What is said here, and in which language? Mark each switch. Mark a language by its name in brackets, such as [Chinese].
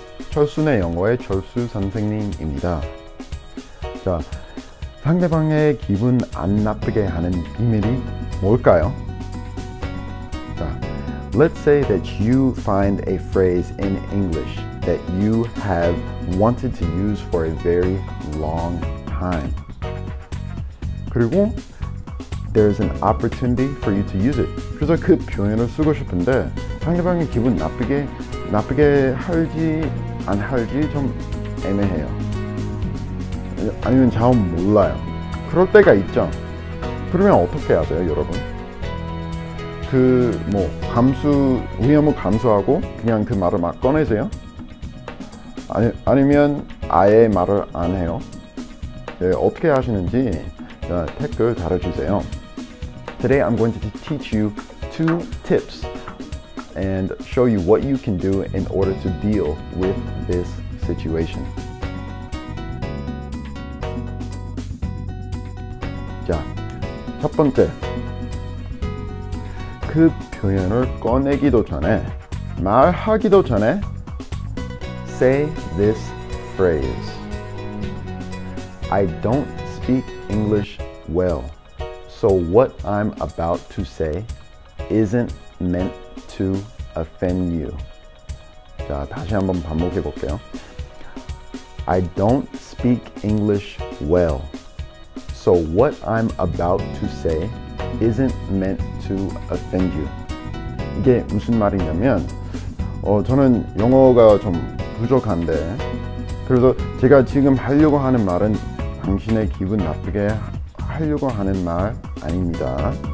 [Korean] 철순의 영어의 철수 선생님입니다. 자, 상대방의 기분 안 나쁘게 하는 비밀이 뭘까요? [English] 자, let's say that you find a phrase in English that you have wanted to use for a very long time. [Korean] 그리고 [English] there's an opportunity for you to use it. [Korean] 그래서 그 표현을 쓰고 싶은데 상대방의 기분 나쁘게 할지 안 할지 좀 애매해요. 아니면 잘 몰라요. 그럴 때가 있죠. 그러면 어떻게 해야 돼요, 여러분? 그 뭐 위험을 감수하고 그냥 그 말을 막 꺼내세요? 아니면 아예 말을 안 해요? 네, 어떻게 하시는지 댓글 달아주세요. [English] Today I'm going to teach you two tips and show you what you can do in order to deal with this situation. [Korean] 자, 첫 번째. 그 표현을 꺼내기도 전에, 말하기도 전에, [English] say this phrase. I don't speak English well, so what I'm about to say isn't meant to offend you. [Korean] 자, 다시 한번 반복해 볼게요. [English] I don't speak English well, so what I'm about to say isn't meant to offend you. [Korean] 이게 무슨 말이냐면 저는 영어가 좀 부족한데 그래서 제가 지금 하려고 하는 말은 당신의 기분 나쁘게 하려고 하는 말 아닙니다.